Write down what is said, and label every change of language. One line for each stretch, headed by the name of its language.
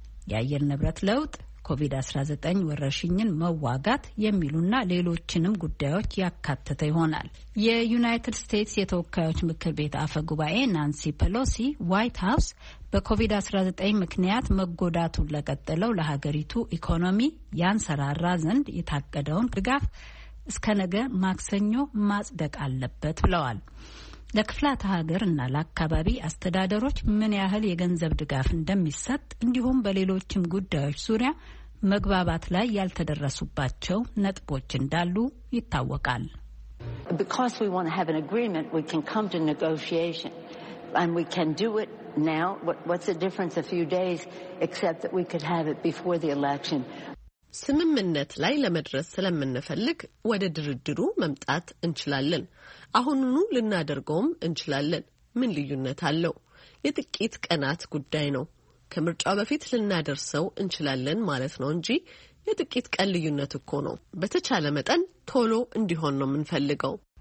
Amharic: የአየር ንብረት ለውጥ፣ ኮቪድ-19 ወረርሽኝን መዋጋት የሚሉና ሌሎችንም ጉዳዮች ያካተተ ይሆናል። የዩናይትድ ስቴትስ የተወካዮች ምክር ቤት አፈ ጉባኤ ናንሲ ፔሎሲ ዋይት ሃውስ በኮቪድ-19 ምክንያት መጎዳቱን ለቀጠለው ለሀገሪቱ ኢኮኖሚ ያንሰራራ ዘንድ የታቀደውን ድጋፍ እስከ ነገ ማክሰኞ ማጽደቅ አለበት ብለዋል። ለክፍላተ ሀገር እና ለአካባቢ አስተዳደሮች ምን ያህል የገንዘብ ድጋፍ እንደሚሰጥ እንዲሁም በሌሎችም ጉዳዮች ዙሪያ መግባባት ላይ ያልተደረሱባቸው ነጥቦች እንዳሉ ይታወቃል።
English: Because we want to have an agreement, we can come to negotiation and we can do it now. What's the difference a few days except that we could have it before the election?
Amharic: ስምምነት ላይ ለመድረስ ስለምንፈልግ ወደ ድርድሩ መምጣት እንችላለን። አሁንኑ ልናደርገውም እንችላለን። ምን ልዩነት አለው? የጥቂት ቀናት ጉዳይ ነው። ከምርጫው በፊት ልናደርሰው እንችላለን ማለት ነው እንጂ የጥቂት ቀን ልዩነት እኮ ነው። በተቻለ መጠን ቶሎ እንዲሆን ነው የምንፈልገው።